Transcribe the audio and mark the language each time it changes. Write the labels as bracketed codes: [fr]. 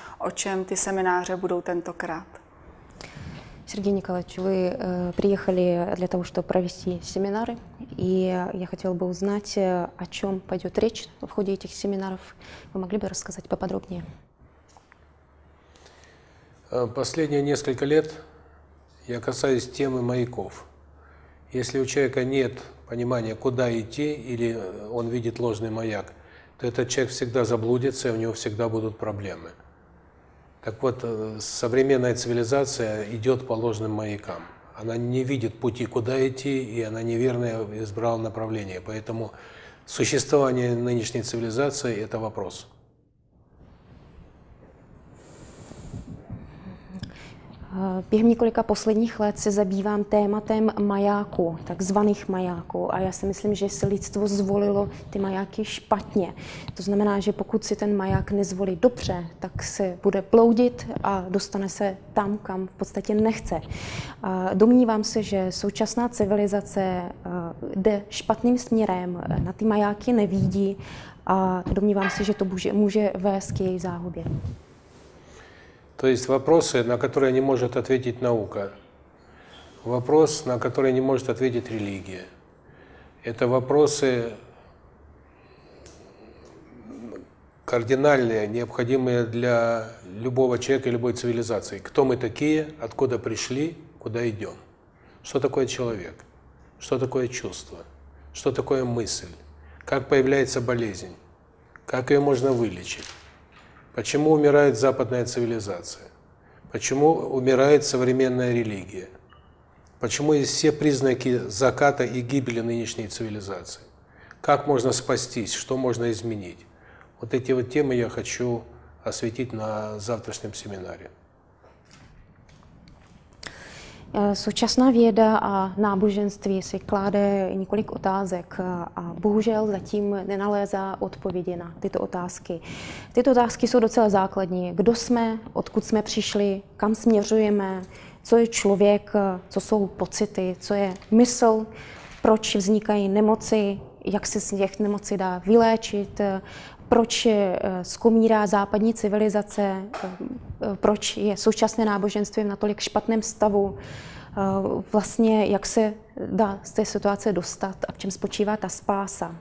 [cs] O čem ty semináře budou tentokrát? [ru] Сергей Николаевич, вы приехали для того, чтобы провести семинары, и я хотела бы узнать, о чем пойдет речь в ходе этих семинаров. Вы могли бы рассказать поподробнее? Последние несколько лет я касаюсь темы маяков. Если у человека нет понимания, куда идти, или он видит ложный маяк, то этот человек всегда заблудится, и у него всегда будут проблемы. Так вот, современная цивилизация идет по ложным маякам. Она не видит пути, куда идти, и она неверно избрала направление. Поэтому существование нынешней цивилизации – это вопрос. [cs] Během několika posledních let se zabývám tématem majáků, takzvaných majáků. A já si myslím, že se lidstvo zvolilo ty majáky špatně. To znamená, že pokud si ten maják nezvolí dobře, tak se bude ploudit a dostane se tam, kam v podstatě nechce. A domnívám se, že současná civilizace jde špatným směrem, na ty majáky nevidí a domnívám se, že to může vést k její záhubě. [ru] То есть вопросы, на которые не может ответить наука. Вопрос, на который не может ответить религия. Это вопросы кардинальные, необходимые для любого человека и любой цивилизации. Кто мы такие, откуда пришли, куда идем. Что такое человек? Что такое чувство? Что такое мысль? Как появляется болезнь? Как ее можно вылечить? Почему умирает западная цивилизация? Почему умирает современная религия? Почему есть все признаки заката и гибели нынешней цивилизации? Как можно спастись? Что можно изменить? Вот эти вот темы я хочу осветить на завтрашнем семинаре. [cs] Současná věda a náboženství si klade několik otázek a bohužel zatím nenalézá odpovědi na tyto otázky. Tyto otázky jsou docela základní. Kdo jsme, odkud jsme přišli, kam směřujeme, co je člověk, co jsou pocity, co je mysl, proč vznikají nemoci, jak se z těch nemocí dá vyléčit, proč skomírá západní civilizace, proč je současné náboženství v natolik špatném stavu, vlastně jak se dá z té situace dostat a v čem spočívá ta spása.